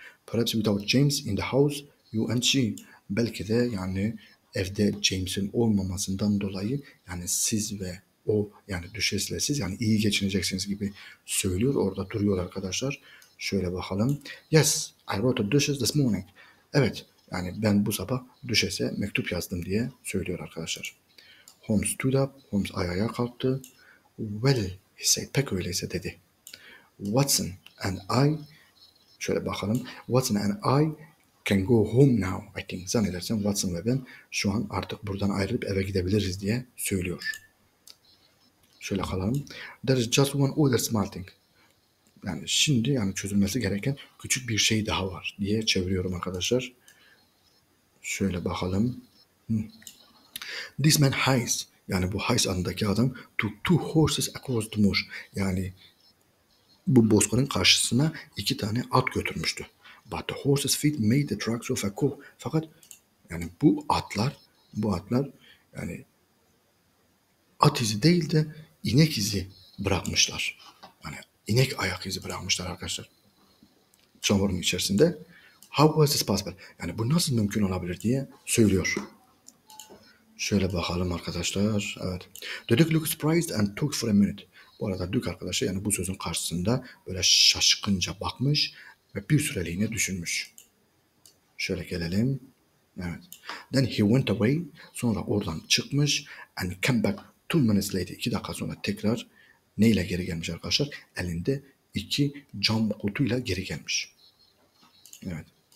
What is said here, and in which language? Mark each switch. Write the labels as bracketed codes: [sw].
[en] Perhaps without James in the house, you and she. [tr] Belki de yani evde James'in olmamasından dolayı, yani siz ve o, yani Duchess'le siz, yani iyi geçineceksiniz gibi söylüyor. Orada duruyor arkadaşlar. Şöyle bakalım. [en] Yes, I wrote to Duchess this morning. [tr] Evet, yani ben bu sabah Duchess'e mektup yazdım diye söylüyor arkadaşlar. [en] Holmes stood up. [tr] Holmes ayağa kalktı. [en] Well, he said, [tr] pek öyleyse dedi. [en] Watson and I, [tr] şöyle bakalım. [en] Watson and I can go home now, I think. [tr] Zannedersem Watson ve ben şu an artık buradan ayrılıp eve gidebiliriz diye söylüyor. Şöyle kalalım. [en] There is just one other small thing. [tr] Yani şimdi, yani çözülmesi gereken küçük bir şey daha var diye çeviriyorum arkadaşlar. Şöyle bakalım. [en] This man hires, [tr] yani bu hires anındaki adam, [en] took two horses across the moor. [tr] Yani bu bozkırın karşısına iki tane at götürmüştü. [en] But the horses' feet made the tracks of a cow. [tr] Fakat yani bu atlar yani at izi değil de inek izi bırakmışlar. Yani inek ayak izi bırakmışlar arkadaşlar. Çamurun içerisinde. [en] How was this possible? [tr] Yani bu nasıl mümkün olabilir diye söylüyor. Şöyle bakalım arkadaşlar. Evet. [en] The Duke looked surprised and took for a minute. [tr] Bu arada Duke arkadaşı, yani bu sözün karşısında böyle şaşkınca bakmış ve bir süreliğine düşünmüş. Şöyle gelelim. Evet. [en] Then he went away. [tr] Sonra oradan çıkmış. [en] And came back 2 minutes later. [tr] 2 dakika sonra tekrar neyle geri gelmiş arkadaşlar? Elinde 2 cam kutuyla geri gelmiş. Evet.